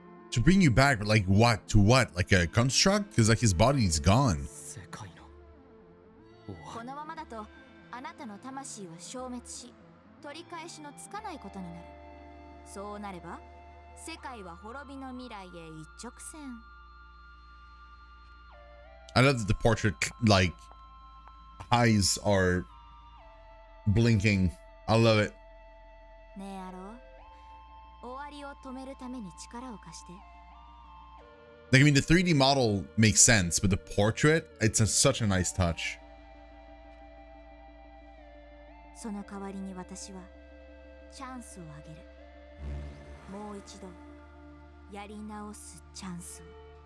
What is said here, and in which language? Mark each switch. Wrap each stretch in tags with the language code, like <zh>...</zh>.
<en>To bring you back, like what? To what? Like a construct? Cause like his body is gone.</en> <ja>世界の終わり。このままだとあなたの魂は消滅し、取り返しのつかないことになる。そうなれば、世界は滅びの未来へ一直線。</ja> <en>I love that the portrait, like, eyes are blinking. I love it.</en> <ja>ねえ、アロ、終わりを止めるために力を貸して。</ja> <en>Like, I mean, the 3D model makes sense, but the portrait, it's such a nice touch.</en> <ja>その代わりに私はチャンスをあげる。もう一度やり直すチャンスを。</ja>